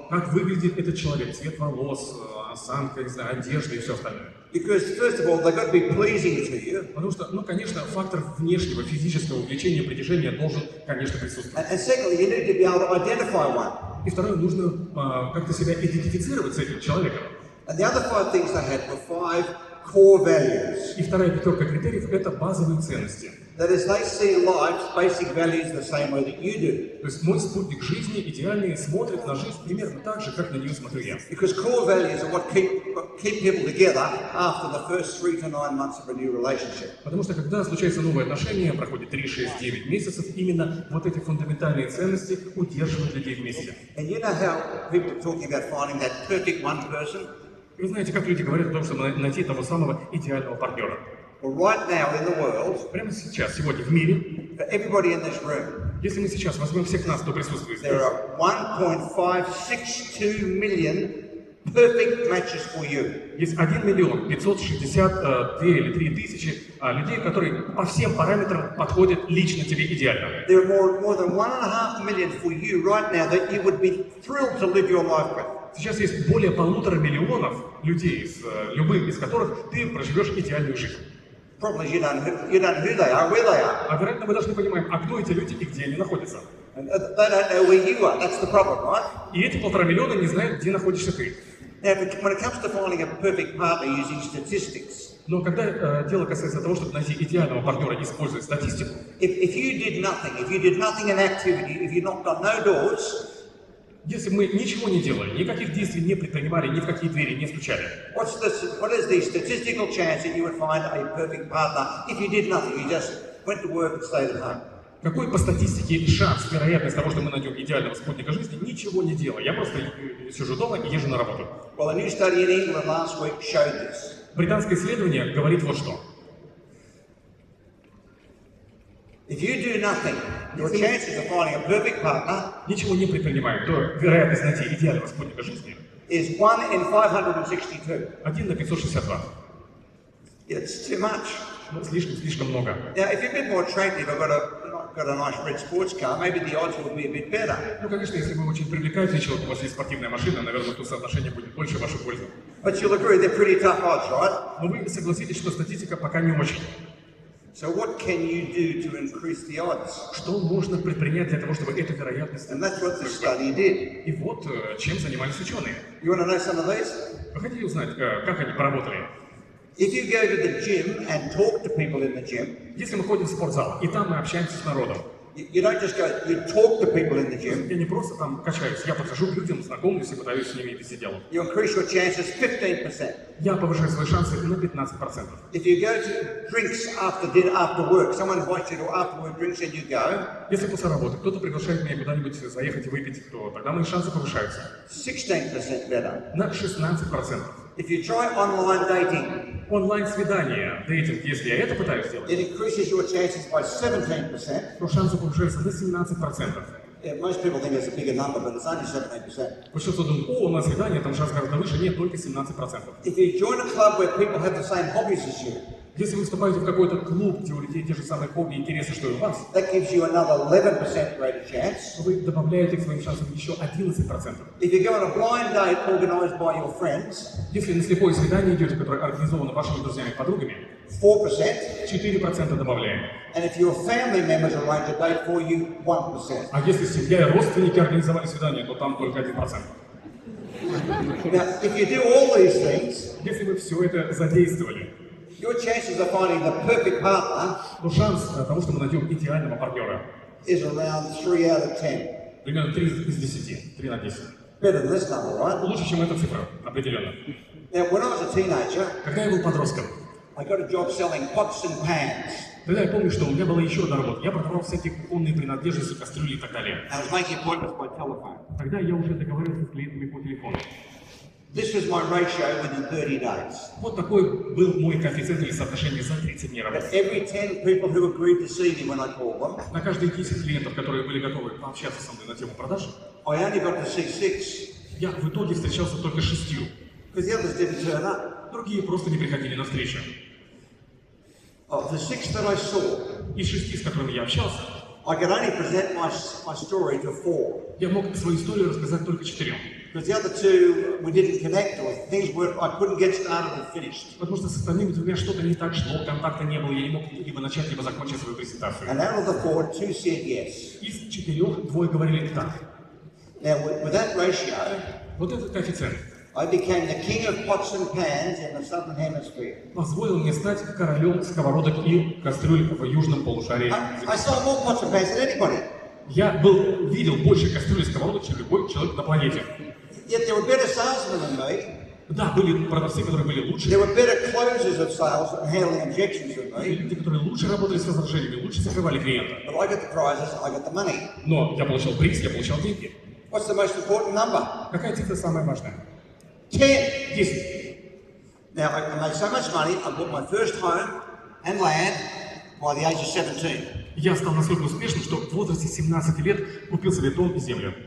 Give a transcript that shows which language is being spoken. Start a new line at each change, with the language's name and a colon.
Russian: Как выглядит этот человек, цвет волос, осанка, не знаю, одежда и все остальное.
English: Because first of all, they've got to be pleasing to you.
Russian: Потому что, ну, конечно, фактор внешнего физического увлечения, притяжения должен, конечно, присутствовать.
English: And secondly, you need to be able to identify one.
Russian: И второе, нужно как-то себя идентифицировать с этим человеком.
English: And the other 5 things I had were 5 core values.
Russian: И вторая пятерка критериев – это базовые ценности.
English: That is, they see life's basic values the same way that you do.
Russian: То есть мой спутник жизни идеальный смотрит на жизнь примерно так же, как на нее смотрю я.
English: Because core values are what keep people together after the first 3 to 9 months of a new relationship.
Russian: Потому что когда случается новое отношение, проходит 3, 6, 9 месяцев, именно вот эти фундаментальные ценности удерживают людей вместе.
English: And you know how people are talking about finding that perfect one person?
Russian: Вы знаете, как люди говорят о том, чтобы найти того самого идеального партнера?
English: Right now in the world,
Russian: прямо сейчас, сегодня в мире,
English: for everybody in this room,
Russian: если мы сейчас возьмем всех нас, кто присутствует здесь,
English: there are 1.562 million perfect matches for you.
Russian: Есть 1 562 000 или 3 000 людей, которые по всем параметрам подходят лично тебе идеально.
English: There are more than 1.5 million for you right now that you would be thrilled to live your life with.
Russian: Сейчас есть более 1.5 миллионов людей, с любым из которых ты проживешь идеальную жизнь.
English: Problem is you don't know who they are, where they are.
Russian: А вероятно, мы должны понимаем, а кто эти люди и где они находятся.
English: And they don't know where you are. That's the problem, right?
Russian: И эти 1.5 миллиона не знают, где находишься ты.
English: Now, when it comes to finding a perfect partner using statistics.
Russian: Но когда дело касается того, чтобы найти идеального партнера, используя статистику.
English: If you did nothing, if you did nothing in activity, if you knocked on no doors.
Russian: Если мы ничего не делали, никаких действий не предпринимали, ни в какие двери не стучали.
English: What is the statistical chance that you would find a perfect partner if you did nothing, you just went to work and stayed at home?
Russian: Какой по статистике шанс, вероятность того, что мы найдем идеального спутника жизни, ничего не делая? Я просто сижу дома и езжу на работу.
English: Well, a new study in England last week showed this.
Russian: Британское исследование говорит вот что.
English: If you do nothing, your chances of finding a perfect partner.
Russian: Ничего не предпринимаю, то вероятность найти идеального спутника жизни.
English: Is 1 in 562.
Russian: 1 на 562.
English: It's too much.
Russian: Слишком много.
English: Now, if you're a bit more attractive, I've got a got a nice red sports car, maybe the odds would be a bit better.
Russian: Ну, конечно, если вы очень привлекаете человека, у вас есть спортивная машина, наверное, то соотношение будет больше в вашу пользу.
English: But you'll agree, they're pretty tough odds, right?
Russian: Но вы согласитесь, что статистика пока не очень.
English: So what can you do to increase the odds?
Russian: Что можно предпринять для того, чтобы эта вероятность?
English: And that's what the study did.
Russian: И вот чем занимались ученые.
English: You want to know some of these?
Russian: Вы хотите узнать, как они поработали?
English: If you go to the gym and talk to people in the gym.
Russian: Если мы ходим в спортзал и там мы общаемся с народом.
English: You don't just go. You talk to people in the gym.
Russian: Я не просто там качаюсь. Я подхожу к людям, знакомлюсь и пытаюсь с ними вести дело.
English: You increase your chances 15%.
Russian: Я повышаю свои шансы на 15%.
English: If you go to drinks after dinner, after work, someone invites you to after work drinks and you go.
Russian: Если после работы кто-то приглашает меня куда-нибудь заехать и выпить, то тогда мои шансы повышаются.
English: 16% better.
Russian: На 16%.
English: If you try online dating.
Russian: Онлайн-свидание, дейтинг, если я это пытаюсь сделать,
English: it increases your chances by 17%.
Russian: То шансы повышаются до 17%.
English: Most people think it's a bigger number, but it's only 17%.
Russian: Большинство думают, о, на свидание, там шанс гораздо выше, нет, только 17%.
English: If you join a club where people have the same hobbies as you,
Russian: если вы вступаете в какой-то клуб, где у людей те же самые хобби и интересы, что и у вас,
English: that gives you another 11% greater chance.
Russian: Вы добавляете к своим шансам еще 11%.
English: If you go on a blind date organized by your friends,
Russian: если на слепое свидание идете, которое организовано вашими друзьями и подругами,
English: 4%.
Russian: 4% добавляем.
English: And if your family members arrange a date for you, 1%.
Russian: А если семья и родственники организовали свидание, то там только 1%.
English: Now, if you do all these things,
Russian: если вы все это задействовали,
English: your chances of finding the perfect partner,
Russian: но шанс того, что мы найдем идеального партнера,
English: is around 3 out of 10.
Russian: Примерно 3 из 10. 3 на 10.
English: Better than this number, right?
Russian: Лучше, чем эта цифра, определенно.
English: Now, when I was a teenager,
Russian: когда я был подростком,
English: I got a job selling pots and pans.
Russian: Тогда я помню, что у меня была еще одна работа. Я продавал всякие кухонные принадлежности, кастрюли и так далее.
English: I was making appointments by telephone.
Russian: Тогда я уже договорился с клиентами по телефону.
English: This was my ratio within 30 days.
Russian: Вот такой был мой коэффициент или соотношение за 30 дней работы.
English: Every 10 people who agreed to see me when I called them.
Russian: На каждые 10 клиентов, которые были готовы пообщаться со мной на тему продаж,
English: I only got to see 6.
Russian: Я в итоге встречался только 6.
English: Because the others didn't turn up.
Russian: Другие просто не приходили на встречу.
English: Of the 6 that I saw.
Russian: Из 6, с которыми я общался,
English: I could only present my story to 4.
Russian: Я мог свою историю рассказать только 4.
English: Because the other two we didn't connect, or things were I couldn't get started and finished.
Russian: Потому что с остальными двумя что-то не так шло, контакта не было, я не мог либо начать, либо закончить свою презентацию.
English: And out of the 4, 2 said yes.
Russian: Из 4 двое говорили так.
English: Now with that ratio,
Russian: вот этот коэффициент,
English: I became the king of pots and pans in the southern hemisphere.
Russian: Позволил мне стать королем сковородок и кастрюль в южном полушарии.
English: I saw more pots and pans than anybody.
Russian: Я был видел больше кастрюль и сковородок, чем любой человек на планете.
English: Yet there were better salesmen than me.
Russian: Да, были продавцы, которые были лучше.
English: There were better closers of sales and handling objections than me.
Russian: Люди, которые лучше работали с возражениями, лучше закрывали клиента.
English: But I got the prizes, I got the money.
Russian: Но я получал приз, я получал деньги.
English: What's the most important number?
Russian: Какая цифра самая важная?
English: 10.
Russian: 10.
English: Now I made so much money, I bought my first home and land by the age of 17.
Russian: Я стал настолько успешным, что в возрасте 17 лет купил себе дом и землю.